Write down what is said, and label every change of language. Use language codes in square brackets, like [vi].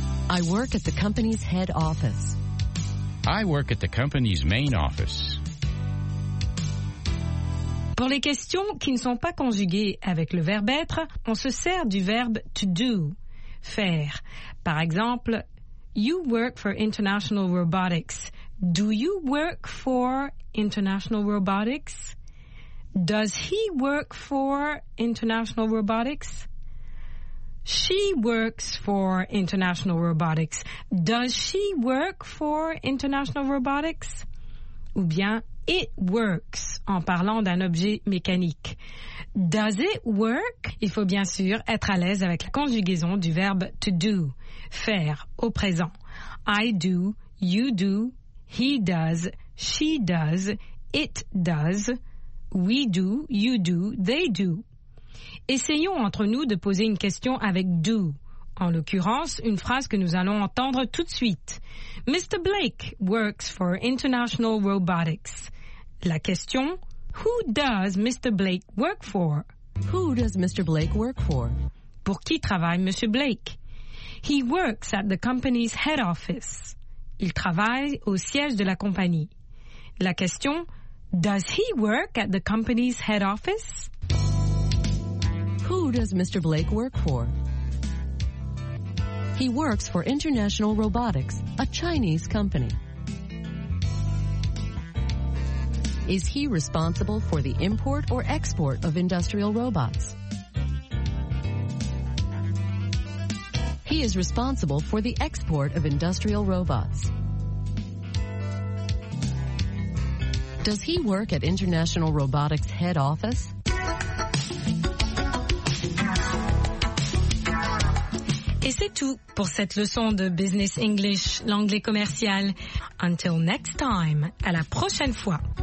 [en] I work at the company's head office. I work at the company's main office. [fr] Pour les questions qui ne sont pas conjuguées avec le verbe être, on se sert du verbe to do, faire. Par exemple, [en] you work for International Robotics. Do you work for International Robotics? Does he work for International Robotics? She works for International Robotics. Does she work for International Robotics? [fr] Ou bien, [en] it works, [fr] en parlant d'un objet mécanique. [en] Does it work? [fr] Il faut bien sûr être à l'aise avec la conjugaison du verbe to do, faire, au présent. [en] I do, you do, he does, she does, it does, we do, you do, they do. [fr] Essayons entre nous de poser une question avec « do », en l'occurrence, une phrase que nous allons entendre tout de suite. [en] « Mr. Blake works for International Robotics ». [fr] La question [en] « Who does Mr. Blake work for ?»« Who does Mr. Blake work for ?» [fr] Pour qui travaille Monsieur Blake ?« [en] He works at the company's head office ». [fr] Il travaille au siège de la compagnie. La question [en] « Does he work at the company's head office ?» Who does Mr. Blake work for? He works for International Robotics, a Chinese company. Is he responsible for the import or export of industrial robots? He is responsible for the export of industrial robots. Does he work at International Robotics head office? [fr] Et c'est tout pour cette leçon de Business English, l'anglais commercial. [en] Until next time, [fr] à la prochaine fois.